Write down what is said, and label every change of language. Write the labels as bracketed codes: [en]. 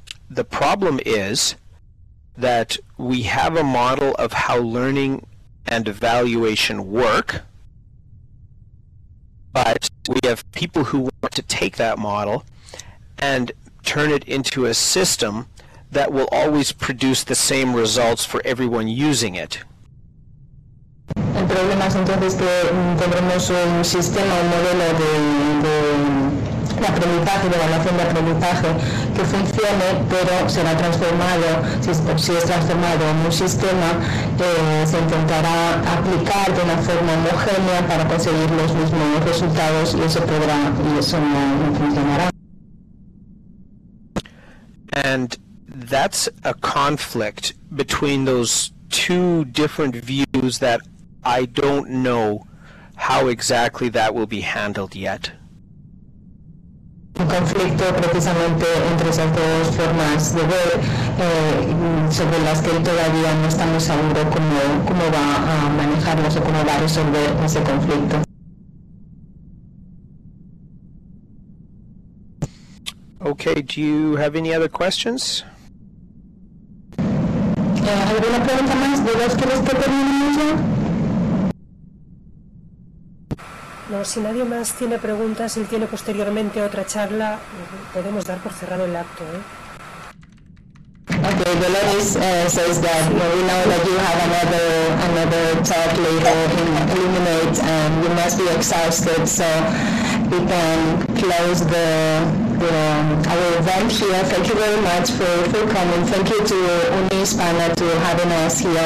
[en] The problem is that we have a model of how learning and evaluation work, but we have people who want to take that model and turn it into a system that will always produce the same results for everyone using it. [es] El problema es entonces que tendremos un sistema, un modelo de aprendizaje, de evaluación de aprendizaje que funcione, pero será transformado, si es transformado en un sistema, se intentará aplicar de una forma homogénea para conseguir los mismos resultados y eso podrá, y eso no, no funcionará. [en] And that's a conflict between those two different views that I don't know how exactly that will be handled yet. [es] Un conflicto precisamente entre esas dos formas de ver sobre las que todavía no estamos seguros cómo va a manejarlos o cómo va a resolver ese conflicto. [en] Okay, do you have any other questions? [es] ¿Alguna pregunta más de los que les tenemos ya? No, si nadie más tiene preguntas, él tiene posteriormente otra charla, podemos dar por cerrado el acto, ¿eh? [en] Okay, Dolores says that, well, we know that you have another talk later in Illuminate, and you must be exhausted, so we can close our event here. Thank you very much for coming. Thank you to Unihispana for having us here.